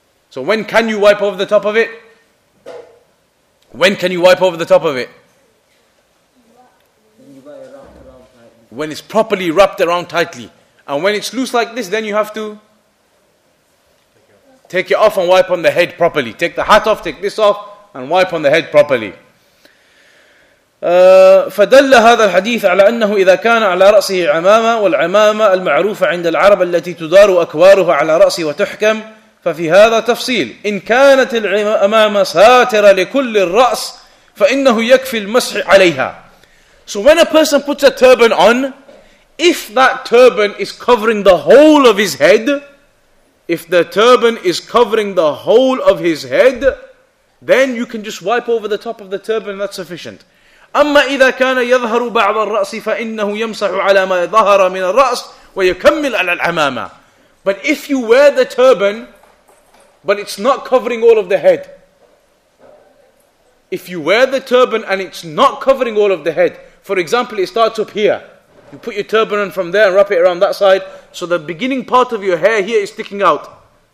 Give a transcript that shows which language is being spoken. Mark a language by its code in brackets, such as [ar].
[en] So when can you wipe over the top of it? When can you wipe over the top of it? When it's properly wrapped around tightly. And when it's loose like this, then you have to take it off and wipe on the head properly. Take the hat off, take this off, and wipe on the head properly. [ar] فدل هذا الحديث على أنه إذا كان على رأسه عمامة والعمامة المعروفة عند العرب التي تدار أكوارها على رأسه وتحكم ففي هذا تفصيل إن كانت العمامة ساترة لكل الرأس فإنه يكفي المسح عليها. [en] So when a person puts a turban on, if that turban is covering the whole of his head, if the turban is covering the whole of his head, then you can just wipe over the top of the turban, that's sufficient. [ar] أما إذا كان يظهر بعض الرأس فإنه يمسح على ما ظهر من الرأس ويكمل على العمامة. [en] But if you wear the turban, but it's not covering all of the head. If you wear the turban and it's not covering all of the head, for example, it starts up here. You put your turban on from there and wrap it around that side. So the beginning part of your hair here is sticking out.